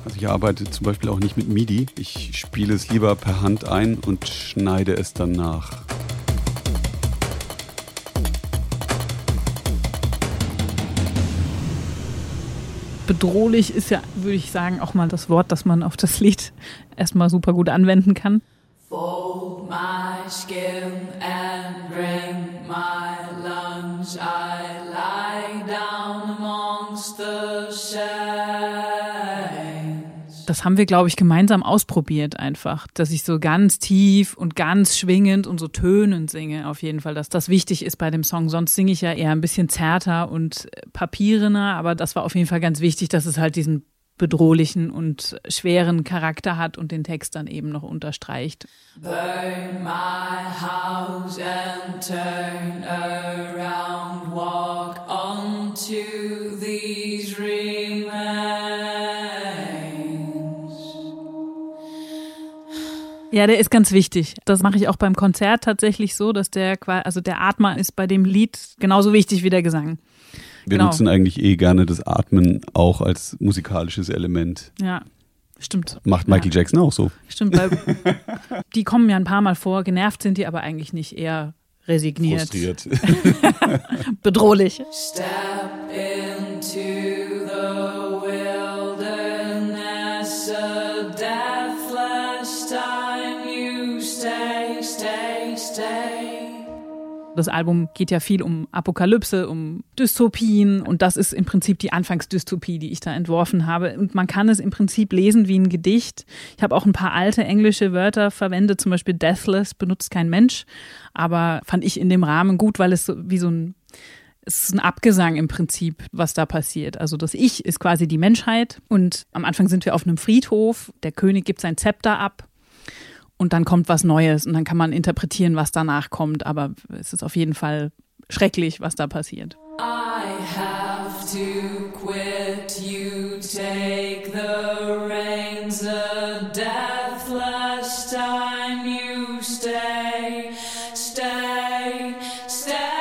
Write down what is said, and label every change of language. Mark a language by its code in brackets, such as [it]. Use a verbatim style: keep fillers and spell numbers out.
[de] also ich arbeite zum Beispiel auch nicht mit MIDI. Ich spiele es lieber per Hand ein und schneide es dann nach. Bedrohlich ist ja, würde ich sagen, auch mal das Wort, das man auf das Lied erstmal super gut anwenden kann. [en] Fold my skin and bring my lungs. I lie down amongst the sands. [de] Das haben wir, glaube ich, gemeinsam ausprobiert einfach, dass ich so ganz tief und ganz schwingend und so tönend singe auf jeden Fall, dass das wichtig ist bei dem Song. Sonst singe ich ja eher ein bisschen zärter und papierener, aber das war auf jeden Fall ganz wichtig, dass es halt diesen bedrohlichen und schweren Charakter hat und den Text dann eben noch unterstreicht. [en] Burn my house and turn around, walk onto these remains. [de] Ja, der ist ganz wichtig. Das mache ich auch beim Konzert tatsächlich so, dass der, also der Atmer ist bei dem Lied genauso wichtig wie der Gesang. Wir genau. nutzen eigentlich eh gerne das Atmen auch als musikalisches Element. Ja, stimmt. Macht Michael ja. Jackson auch so. Stimmt, weil die kommen ja ein paar Mal vor, genervt sind die aber eigentlich nicht, eher resigniert. Frustriert. Bedrohlich. [en] Step into the wilderness, a deathless time you stay, stay, stay. [de] Das Album geht ja viel um Apokalypse, um Dystopien und das ist im Prinzip die Anfangsdystopie, die ich da entworfen habe. Und man kann es im Prinzip lesen wie ein Gedicht. Ich habe auch ein paar alte englische Wörter verwendet, zum Beispiel deathless, benutzt kein Mensch, aber fand ich in dem Rahmen gut, weil es so wie so ein, es ist ein Abgesang im Prinzip, was da passiert. Also das Ich ist quasi die Menschheit und am Anfang sind wir auf einem Friedhof, der König gibt sein Zepter ab. Und dann kommt was Neues und dann kann man interpretieren, was danach kommt. Aber es ist auf jeden Fall schrecklich, was da passiert. [en] I have to quit, you take the reins, a deathless time you stay, stay, stay.